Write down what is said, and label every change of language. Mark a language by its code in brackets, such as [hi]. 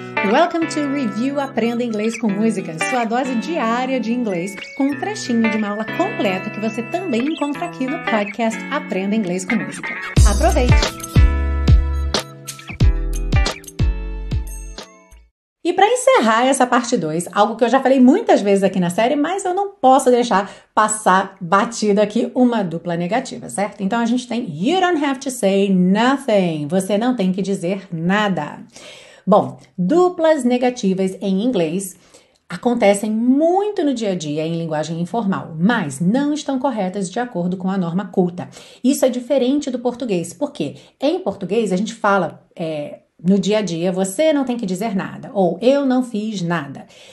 [en] Welcome to [pt] Review Aprenda Inglês com Música, sua dose diária de inglês, com um trechinho de uma aula completa que você também encontra aqui no podcast Aprenda Inglês com Música. Aproveite! E para encerrar essa parte 2, algo que eu já falei muitas vezes aqui na série, mas eu não posso deixar passar batida aqui uma dupla negativa, certo? Então a gente tem [en] You don't have to say nothing. [pt] Você não tem que dizer nada. Bom, duplas negativas em inglês acontecem muito no dia a dia em linguagem informal, mas não estão corretas de acordo com a norma culta. Isso é diferente do português, porque em português a gente fala no dia a dia, você não tem que dizer nada, ou eu não fiz nada.